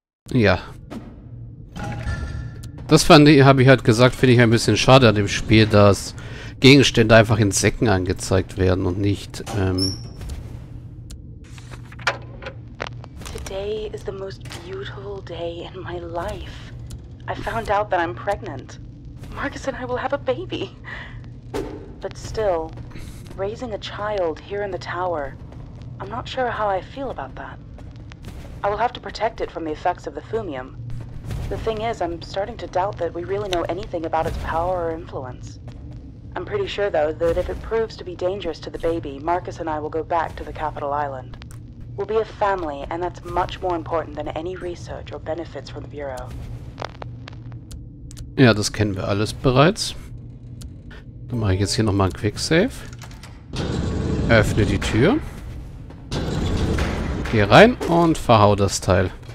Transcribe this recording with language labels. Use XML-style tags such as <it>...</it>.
<de>Ja. Das fand ich, habe ich halt gesagt, finde ich ein bisschen schade an dem Spiel, dass Gegenstände einfach in Säcken angezeigt werden und nicht,</de> <en>Today is the most beautiful day in my life. I found out that I'm pregnant. Marcus and I will have a baby. But still, raising a child here in the tower, I'm not sure how I feel about that. I will have to protect it from the effects of the Fumium. The thing is, I'm starting to doubt that we really know anything about its power or influence. I'm pretty sure, though, that if it proves to be dangerous to the baby, Marcus and I will go back to the capital island. We'll be a family, and that's much more important than any research or benefits from the Bureau.</en> <de>Ja, das kennen wir alles bereits. Dann mache ich jetzt hier nochmal ein Quicksave. Öffne die Tür. Geh rein und verhau das Teil.</de>